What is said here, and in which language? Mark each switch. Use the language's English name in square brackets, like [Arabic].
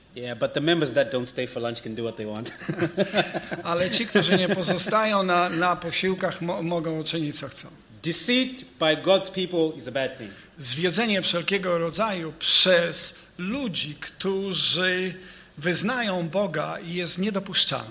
[English] Yeah, but the members that don't stay for lunch can do what they want. [Polish] Ale ci, którzy nie pozostają na posiłkach, mogą czynić co chcą. [English] Deceit by God's people is a bad thing. [Polish] Zwiedzenie wszelkiego rodzaju przez ludzi, którzy wyznają Boga, jest niedopuszczalne.